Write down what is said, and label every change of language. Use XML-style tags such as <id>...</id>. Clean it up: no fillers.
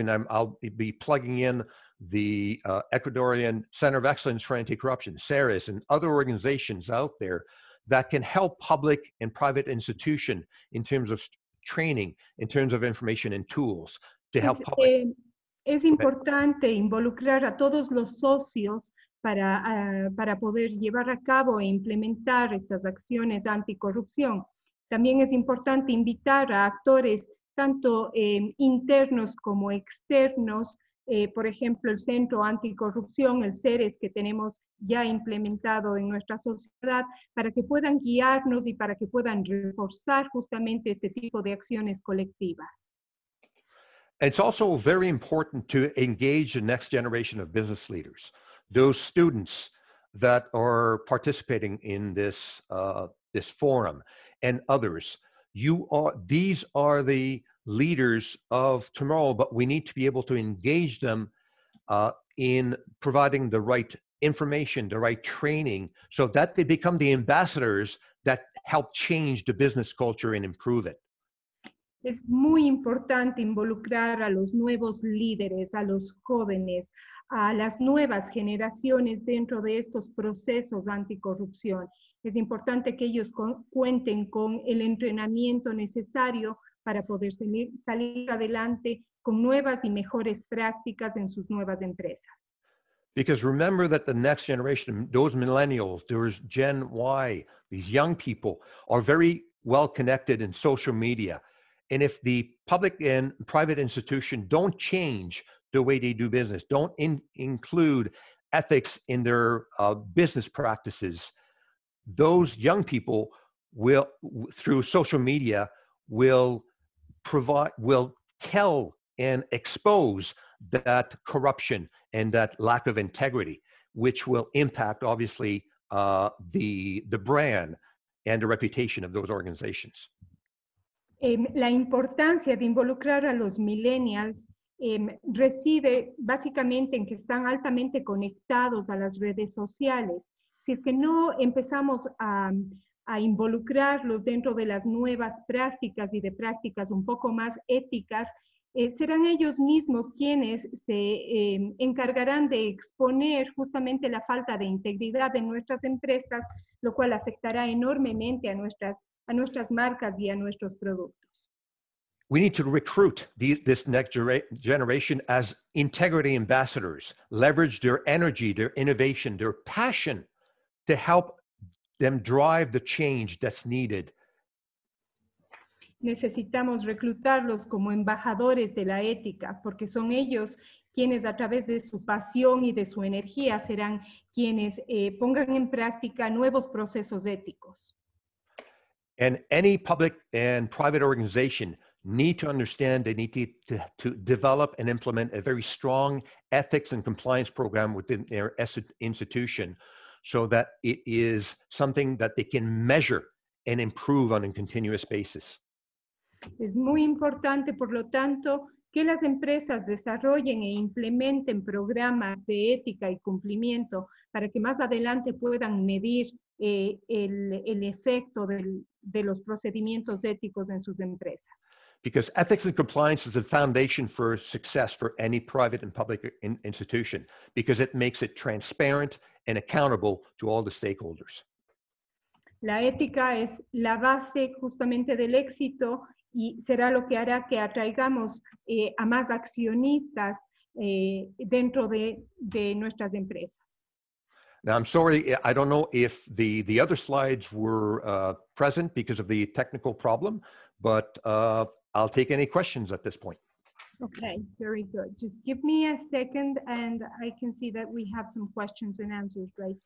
<en>And I'll be plugging in the Ecuadorian Center of Excellence for Anti-Corruption, CERES, and other organizations out there that can help public and private institution in terms of training, in terms of information and tools to help public.</en> <es>Es importante involucrar a todos los socios para poder llevar a cabo e implementar estas acciones anticorrupción. También es importante invitar a actores tanto internos como externos, por ejemplo, el Centro Anticorrupción, el CERES, que tenemos ya implementado en nuestra sociedad, para que puedan guiarnos y para que puedan reforzar justamente este tipo de acciones colectivas.</es> <en>It's also very important to engage the next generation of business leaders, those students that are participating in this this forum, and others. These are the leaders of tomorrow, but we need to be able to engage them in providing the right information, the right training, so that they become the ambassadors that help change the business culture and improve it.</en> <es>Es muy importante involucrar a los nuevos líderes, a los jóvenes, a las nuevas generaciones dentro de estos procesos anticorrupción. Es importante que ellos cuenten con el entrenamiento necesario para poder salir adelante con nuevas y mejores prácticas en sus nuevas empresas.</es> <en>Because remember that the next generation, those millennials, those Gen Y, these young people, are very well connected in social media. And if the public and private institution don't change the way they do business, don't include ethics in their business practices, those young people will, through social media, will tell and expose that corruption and that lack of integrity, which will impact, obviously, the brand and the reputation of those organizations.</en> <es>La importancia de involucrar a los millennials reside básicamente en que están altamente conectados a las redes sociales. Si es que no empezamos a involucrarlos dentro de las nuevas prácticas y de prácticas un poco más éticas, serán ellos mismos quienes se encargarán de exponer justamente la falta de integridad en nuestras empresas, lo cual afectará enormemente a nuestras marcas y a nuestros productos.</es> <en>We need to recruit this next generation as integrity ambassadors, leverage their energy, their innovation, their passion to help them drive the change that's needed.</en> <es>Necesitamos reclutarlos como embajadores de la ética, porque son ellos quienes a través de su pasión y de su energía serán quienes pongan en práctica nuevos procesos éticos.</es> <en>And any public and private organization need to understand they need to develop and implement a very strong ethics and compliance program within their institution so that it is something that they can measure and improve on a continuous basis.</en> <es>Es muy importante, por lo tanto, que las empresas desarrollen e implementen programas de ética y cumplimiento para que más adelante puedan medir el efecto de los procedimientos éticos en sus empresas.</es> <en>Because ethics and compliance is a foundation for success for any private and public institution, because it makes it transparent and accountable to all the stakeholders.</en> <es>La ética es la base justamente del éxito y será lo que hará que atraigamos a más accionistas dentro de nuestras empresas.</es> <en>Now, I'm sorry, I don't know if the other slides were present because of the technical problem, but I'll take any questions at this point. Okay, very good. Just give me a second and I can see that we have some questions and answers, right?</en>